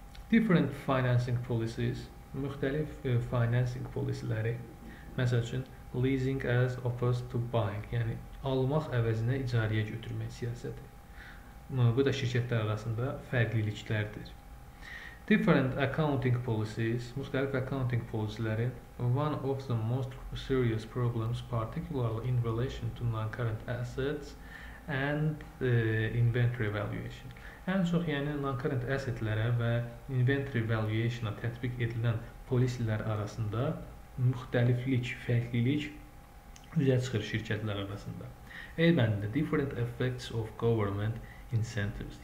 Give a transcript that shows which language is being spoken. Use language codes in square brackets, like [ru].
[en] Different financing policies, [az] müxtəlif financing policyləri. Məsəl üçün [en] leasing as opposed to buying, [az] yəni almaq əvəzinə icarəyə götürmək siyasəti. Bu da şirkətlər arasında fərqliliklərdir. [en] Different accounting policies, [az] müxtəlif accounting policyləri. [en] One of the most serious problems, particularly in relation to non-current assets and inventory valuation. [az] Ən çox, yəni non-current assetlərə və inventory valuationa tətbiq edilən policylər arasında müxtəliflik, fərqlilik üzə çıxır şirkətlər arasında. [en] Elbəndə, different effects of government incentives.